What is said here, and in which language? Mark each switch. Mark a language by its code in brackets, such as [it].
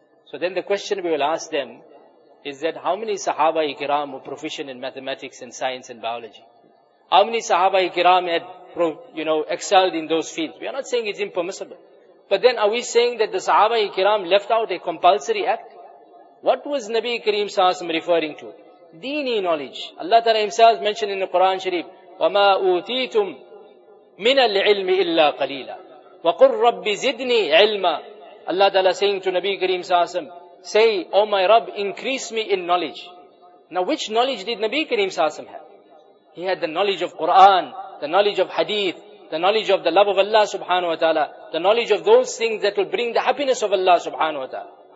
[en] So then the question we will ask them is that how many Sahaba-i-Kiram were proficient in mathematics and science and biology? How many Sahaba-i-Kiram had, you know, excelled in those fields? We are not saying it's impermissible. But then are we saying that the Sahaba-i-Kiram left out a compulsory act? What was Nabi Kareem Sallallahu Alaihi Wasallam referring to? Deeni knowledge. Allah Ta'ala Himself mentioned in the Quran Sharif, [ar] وَمَا أُوتِيتُمْ مِنَ الْعِلْمِ إِلَّا قَلِيلًا وَقُلْ رَبِّ زِدْنِي عِلْمًا. [en] Allah Ta'ala saying to Nabi Kareem Sallallahu Alaihi Wasallam, say, "Oh my Rabb, increase me in knowledge." Now which knowledge did Nabi Kareem Sallallahu Alaihi Wasallam have? He had the knowledge of Quran, the knowledge of Hadith, the knowledge of the love of Allah Subhanahu Wa Ta'ala, the knowledge of those things that will bring the happiness of Allah Subhanahu Wa Ta'ala.